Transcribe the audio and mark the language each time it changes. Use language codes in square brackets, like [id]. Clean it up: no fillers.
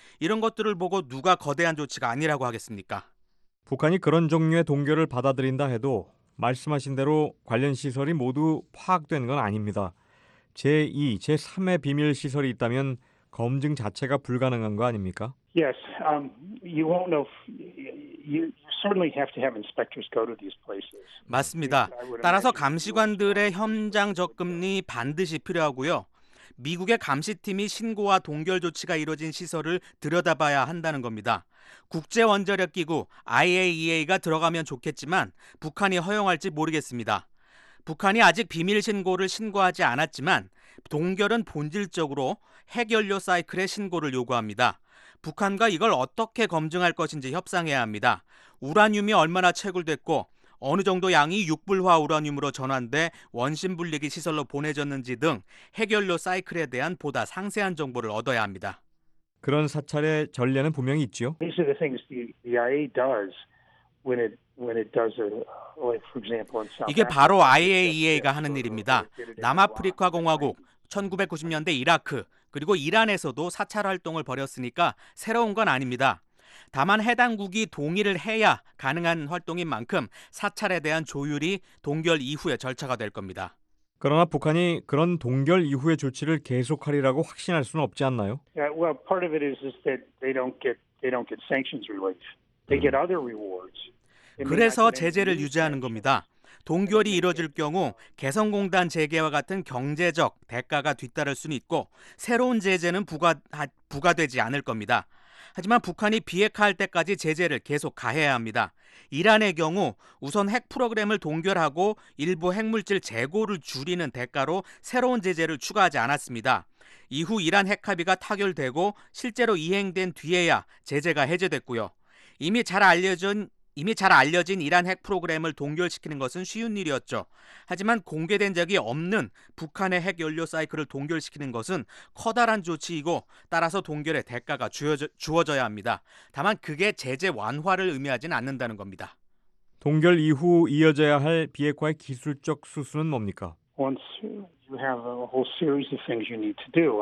[ko] 이런 것들을 보고 누가 거대한 조치가 아니라고 하겠습니까? 북한이 그런 종류의 동결을 받아들인다 해도 말씀하신 대로 관련 시설이 모두 파악된 건 아닙니다. 제2, 제3의 비밀 시설이 있다면 검증 자체가 불가능한 거 아닙니까? [en] Yes, you won't know. You certainly have to have inspectors go to these places. [ko] 맞습니다. 따라서 감시관들의 현장 접근이 반드시 필요하고요. 미국의 감시팀이 신고와 동결 조치가 이루어진 시설을 들여다봐야 한다는 겁니다. 국제원자력기구 IAEA가 들어가면 좋겠지만 북한이 허용할지 모르겠습니다. 북한이 아직 비밀신고를 신고하지 않았지만 동결은 본질적으로 핵연료 사이클의 신고를 요구합니다. 북한과 이걸 어떻게 검증할 것인지 협상해야 합니다. 우라늄이 얼마나 채굴됐고 어느 정도 양이 육불화 우라늄으로 전환돼 원심불리기 시설로 보내졌는지 등 핵연료 사이클에 대한 보다 상세한 정보를 얻어야 합니다. 그런 사찰의 전례는 분명히 있지요. [en] These are the things the IAEA does when it does a, like for example, in South Africa. [ko] 이게 바로 IAEA가 하는 일입니다. 남아프리카 공화국, 1990년대 이라크, 그리고 이란에서도 사찰 활동을 벌였으니까 새로운 건 아닙니다. 다만 해당국이 동의를 해야 가능한 활동인 만큼 사찰에 대한 조율이 동결 이후의 절차가 될 겁니다. 그러나 북한이 그런 동결 이후의 조치를 계속하리라고 확신할 수는 없지 않나요? [en] Yeah, well, part of it is that they don't get sanctions relief. They get other rewards. [ko] 그래서 제재를 유지하는 겁니다. 동결이 이루어질 경우 개성공단 재개와 같은 경제적 대가가 뒤따를 수는 있고 새로운 제재는 부과되지 않을 겁니다. 하지만 북한이 비핵화할 때까지 제재를 계속 가해야 합니다. 이란의 경우 우선 핵 프로그램을 동결하고 일부 핵물질 재고를 줄이는 대가로 새로운 제재를 추가하지 않았습니다. 이후 이란 핵 합의가 타결되고 실제로 이행된 뒤에야 제재가 해제됐고요. 이미 잘 알려진 이란 핵 프로그램을 동결시키는 것은 쉬운 일이었죠. 하지만 공개된 적이 없는 북한의 핵 연료 사이클을 동결시키는 것은 커다란 조치이고 따라서 동결의 대가가 주어져야 합니다. 다만 그게 제재 완화를 의미하진 않는다는 겁니다. 동결 이후 이어져야 할 비핵화의 기술적 수순은 뭡니까? [en] Once you have a whole series of things you need to do.